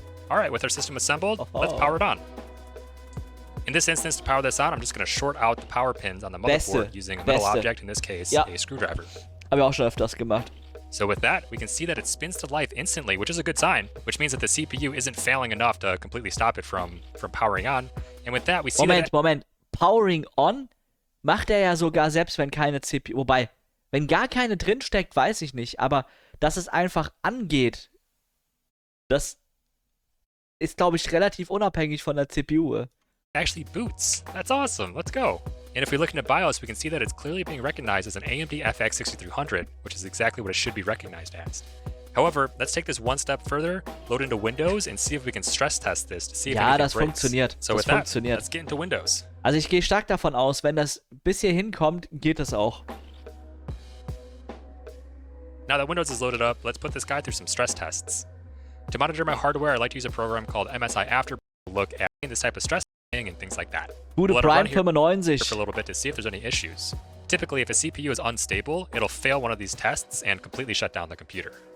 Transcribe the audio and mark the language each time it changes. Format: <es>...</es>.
<en>All right, with our system assembled, let's power it on. In this instance, to power this on, I'm just going to short out the power pins on the motherboard using a metal object, in this case, a screwdriver.</en> <de>Hab ich auch schon öfters gemacht.</de> <en>So with that, we can see that it spins to life instantly, which is a good sign, which means that the CPU isn't failing enough to completely stop it from powering on. And with that, we see</en> <de>Moment. Powering on macht ja sogar selbst, wenn keine CPU... Wobei... Wenn gar keine drin steckt, weiß ich nicht, aber dass es einfach angeht, das ist, glaube ich, relativ unabhängig von der CPU.</de> <en>Actually boots. That's awesome. Let's go. And if we look into BIOS, we can see that it's clearly being recognized as an AMD FX6300, which is exactly what it should be recognized as. However, let's take this one step further, load into Windows and see if we can stress test this to see if anything breaks.</en> <de>Funktioniert.</de> <en>So</en> <de>das</de> <en>with</en> <de>funktioniert.</de> <en>That, let's get into Windows.</en> <de>Also ich gehe stark davon aus, wenn das bis hier hinkommt, geht das auch.</de> <en>Now that Windows is loaded up, let's put this guy through some stress tests. To monitor my hardware, I like to use a program called MSI Afterburner to look at this type of stress testing and things like that. We'll let it run here for a little bit to see if there's any issues. Typically, if a CPU is unstable, it'll fail one of these tests and completely shut down the computer.</en>